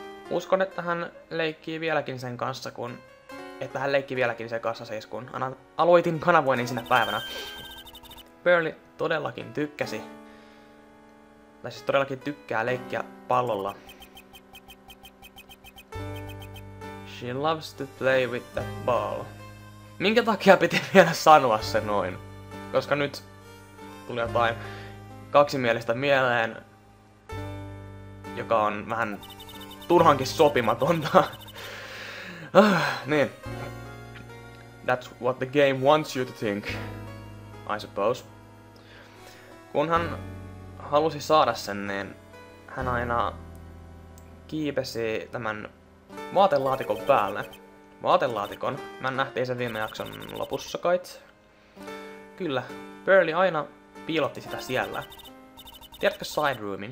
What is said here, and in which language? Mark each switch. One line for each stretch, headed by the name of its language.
Finnish: Uskon, että hän leikkii vieläkin sen kanssa, kun... Että hän leikki vieläkin sen kanssa siis, kun aloitin kanavoinnin sinä päivänä. Pearly todellakin tykkäsi. Tai siis todellakin tykkää leikkiä pallolla.
English: She loves to play with the ball.
Finnish: Minkä takia piti vielä sanoa se noin? Koska nyt tuli jotain kaksimielistä mieleen, joka on vähän turhankin sopimatonta. Niin.
English: That's what the game wants you to think, I suppose.
Finnish: Kun hän halusi saada sen, niin hän aina kiipesi tämän vaatelaatikon päälle. Vaatelaatikon. Mä nähtiin sen viime jakson lopussa kait. Kyllä, Pearly aina piilotti sitä siellä. Tiedätkö side roomin?